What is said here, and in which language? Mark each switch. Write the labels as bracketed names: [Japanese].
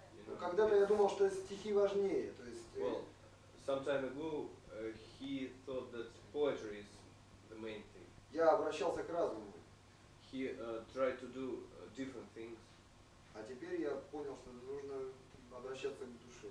[Russian] Ну, когда-то я думал, что стихи важнее, то есть... [English] Well, some time ago, he thought that poetry is the main thing. [Russian] Я обращался к разуму. [English] He tried to do different things. [Russian] А теперь я понял, что нужно обращаться к душе.